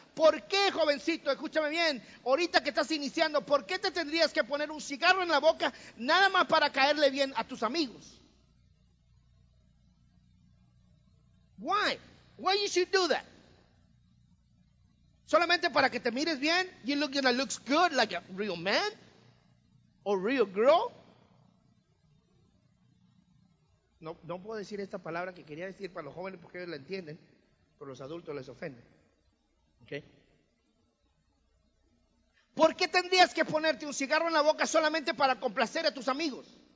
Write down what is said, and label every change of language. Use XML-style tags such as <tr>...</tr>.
<es>¿Por qué, jovencito, escúchame bien, ahorita que estás iniciando, ¿por qué te tendrías que poner un cigarro en la boca nada más para caerle bien a tus amigos?</es> <en>Why? Why you should do that?</en> <es>¿Solamente para que te mires bien?</es> <en>You look and it looks good like a real man or real girl?</en> <es>No puedo decir esta palabra que quería decir para los jóvenes porque ellos la entienden, pero los adultos les ofenden. ¿Okay? ¿Por qué tendrías que ponerte un cigarro en la boca solamente para complacer a tus amigos?</es>